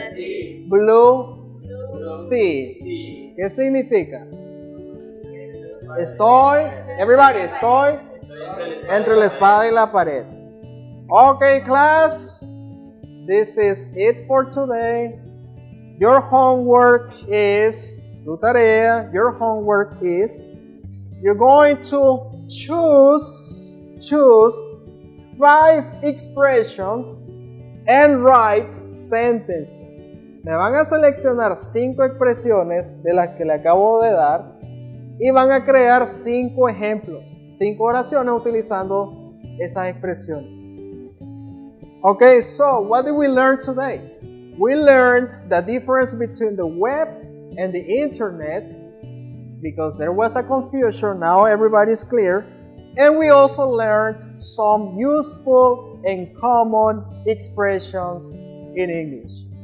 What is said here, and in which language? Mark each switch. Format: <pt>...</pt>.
<en>I'm between the devil and the deep blue sea.</en> <es>¿Qué significa? Estoy, everybody, estoy entre la espada y la pared.</es> <en>Okay, class, this is it for today. Your homework is,</en> <es>tu tarea,</es> <en>your homework is, you're going to choose five expressions and write sentences.</en> <es>Me van a seleccionar cinco expresiones de las que le acabo de dar y van a crear cinco ejemplos, cinco oraciones utilizando esas expresiones.</es> <en>Okay, so what did we learn today? We learned the difference between the web and the internet because there was a confusion. Now everybody's clear. And we also learned some useful and common expressions in English.</en>